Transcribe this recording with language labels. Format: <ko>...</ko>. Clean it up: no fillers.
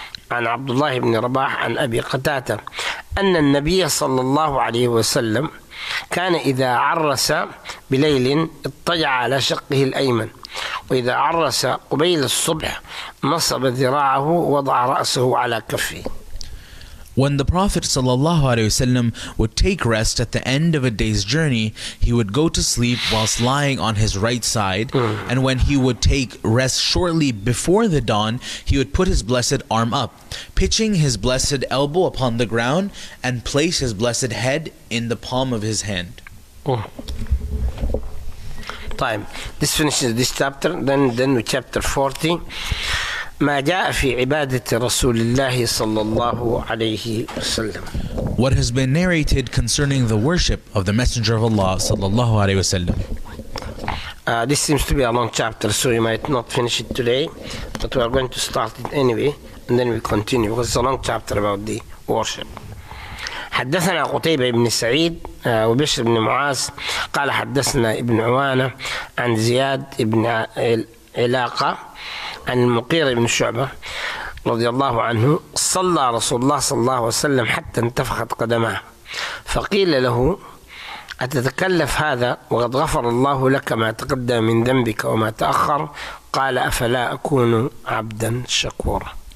<ar>عن عبد الله بن رباح عن أبي قتادة أن النبي صلى الله عليه وسلم كان إذا عرس بليل اضطجع على شقه الأيمن، وإذا عرس قبيل الصبح نصب ذراعه وضع رأسه على كفه.</ar> <en>When the Prophet sallallahu alaihi wasallam would take rest at the end of a day's journey, he would go to sleep whilst lying on his right side. And when he would take rest shortly before the dawn, he would put his blessed arm up, pitching his blessed elbow upon the ground and place his blessed head in the palm of his hand. Time. This finishes this chapter. Then with chapter 40.</en> <ar>ما جاء في عبادة رسول الله صلى الله عليه وسلم.</ar> <en>What has been narrated concerning the worship of the Messenger of Allah</en> <ar>صلى الله عليه وسلم.</ar> <en>This seems to be a long chapter, so we might not finish it today, but we are going to start it anyway, and then we continue, because it's a long chapter about the worship.</en> <ar>حدثنا قتيبة بن سعيد وبشر بن معاذ قال حدثنا ابن عوانة عن زياد بن علاقة عن المقير بن شعبة رضي الله عنه صلى رسول الله صلى الله عليه وسلم حتى انتفخت قدماه، فقيل له: أتتكلف هذا وقد غفر الله لك ما تقدم من ذنبك وما تأخر؟ قال: أفلا أكون عبدا شكورا.</ar>